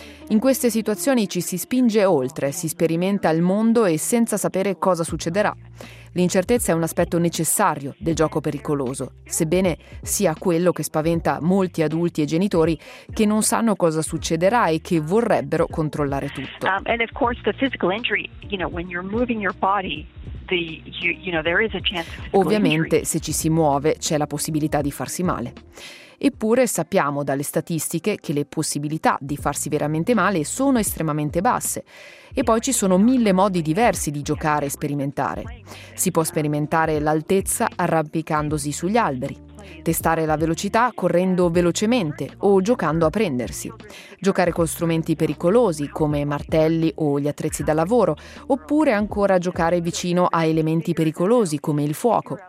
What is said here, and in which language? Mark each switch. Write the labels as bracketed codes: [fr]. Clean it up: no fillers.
[it] In queste situazioni ci si spinge oltre, si sperimenta il mondo e senza sapere cosa succederà. L'incertezza è un aspetto necessario del gioco pericoloso, sebbene sia quello che spaventa molti adulti e genitori che non sanno cosa succederà e che vorrebbero controllare tutto. [en] And of course the physical injury, you know, when you're moving your body, there is a chance. [it] Ovviamente se ci si muove c'è la possibilità di farsi male. Eppure sappiamo dalle statistiche che le possibilità di farsi veramente male sono estremamente basse. E poi ci sono mille modi diversi di giocare e sperimentare. Si può sperimentare l'altezza arrampicandosi sugli alberi, testare la velocità correndo velocemente o giocando a prendersi, giocare con strumenti pericolosi come martelli o gli attrezzi da lavoro, oppure ancora giocare vicino a elementi pericolosi come il fuoco.